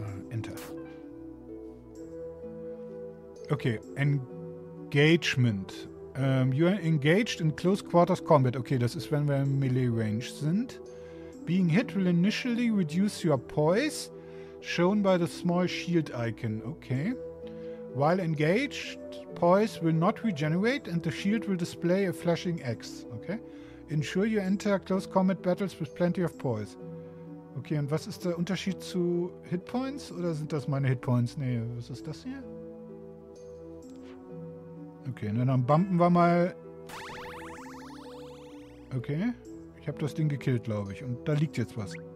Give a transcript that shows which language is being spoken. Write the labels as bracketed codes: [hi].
[en] Enter. Okay, Engagement. You are engaged in close quarters combat. [de] Okay, das ist, wenn wir im Melee Range sind. [en] Being hit will initially reduce your poise, shown by the small shield icon. Okay. While engaged, poise will not regenerate and the shield will display a flashing X. Okay. Ensure you enter close combat battles with plenty of poise. [de] Okay, und was ist der Unterschied zu Hitpoints? Oder sind das meine Hitpoints? Nee, was ist das hier? Okay, und dann bumpen wir mal. Okay. Ich habe das Ding gekillt, glaube ich. Und da liegt jetzt was.